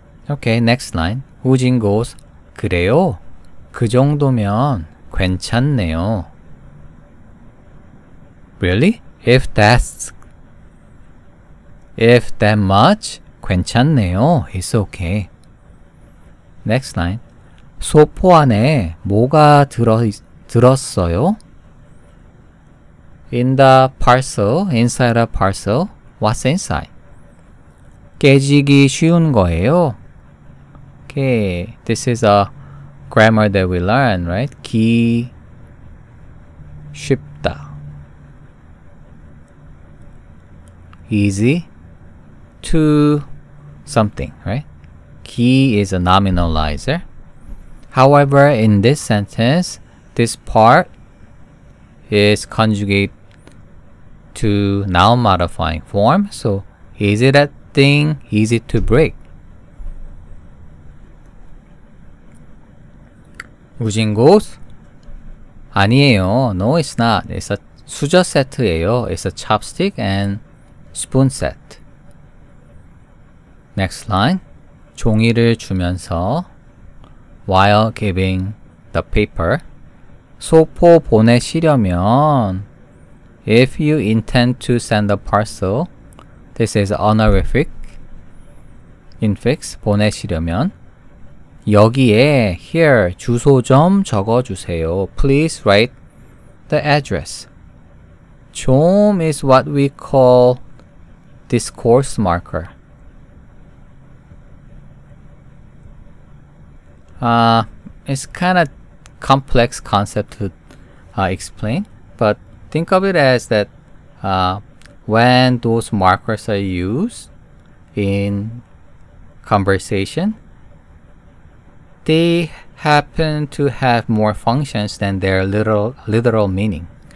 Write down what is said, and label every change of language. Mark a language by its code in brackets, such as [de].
[en] Okay, next line. 우진 goes, [ko] 그래요? 그 정도면 괜찮네요. [en] Really? If that much, [ko] 괜찮네요. [en] It's okay. Next line. [ko] 소포 안에 뭐가 들었어요? [en] In the parcel, inside a parcel, what's inside? [ko] 깨지기 쉬운 거예요. [en] Okay, this is a grammar that we learn, right? [ko] 기 쉽다. [en] Easy to something, right? 기 is a nominalizer. However, in this sentence, this part is conjugate to noun modifying form. So, is it a thing easy to break? 우진 goes, [ko] 아니에요. [en] No, it's not. It's a 수저 세트예요. It's a chopstick and spoon 세트. Next line, [ko] 종이를 주면서 [en] while giving the paper, [ko] 소포 보내시려면 [en] if you intend to send a parcel, this is honorific infix, [ko] 보내시려면 여기에 [en] here [ko] 주소 좀 적어주세요. [en] Please write the address. 좀 is what we call discourse marker. 아, it's kind of complex concept to explain, but think of it as that when those markers are used in conversation, they happen to have more functions than their literal meaning.